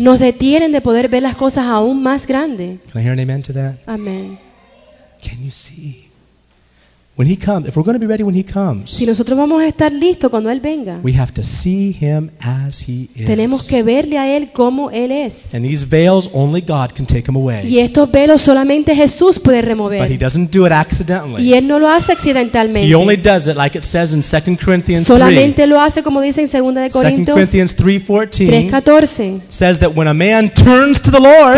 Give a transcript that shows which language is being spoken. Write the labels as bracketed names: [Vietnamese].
[Spanish] Nos detienen de poder ver las cosas aún más grandes. [English] Can I hear an amen to that? Amen. Can you see? When he comes, if we're going to be ready when he comes, [Spanish] si nosotros vamos a estar listos cuando él venga, [English] we have to see him as he is. [Spanish] Tenemos que verle a él como él es. [English] And these veils, only God can take them away. [Spanish] Y estos velos solamente Jesús puede remover. [English] But he doesn't do it accidentally. [Spanish] Y él no lo hace accidentalmente. [English] He only does it like it says in 2 Corinthians [Spanish] Solamente lo hace como dice en 2 de Corintios [English] 3:14. [Spanish] 3:14. [English] Says that when a man turns to the Lord,